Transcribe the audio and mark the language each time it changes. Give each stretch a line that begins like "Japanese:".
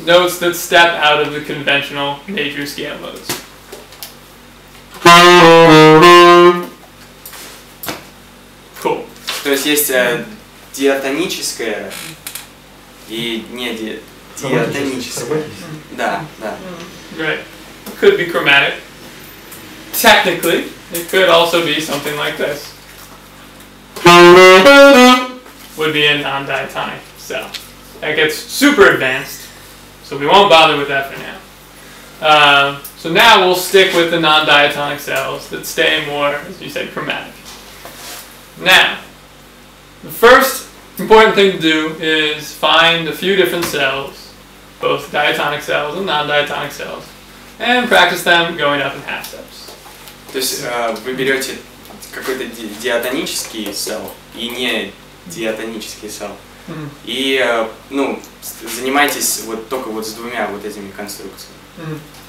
English: Notes that step out of the conventional major scale modes.
Russian: То есть есть диатоническое и не диатоническое. Да, да.
English: Right. Could be chromatic. Technically, it could also be something like this. Would be a non-diatonic cell. That gets super advanced, so we won't bother with that for now. So now we'll stick with the non-diatonic cells that stay more, as you said, chromatic. Now, the first important thing to do is find a few different cells, both diatonic cells and non-diatonic cells, and practice them going up in half steps.
Russian: То есть вы берете какой-то диатонический cell и не диатонический cell, и ну занимайтесь вот только вот с двумя вот этими конструкциями.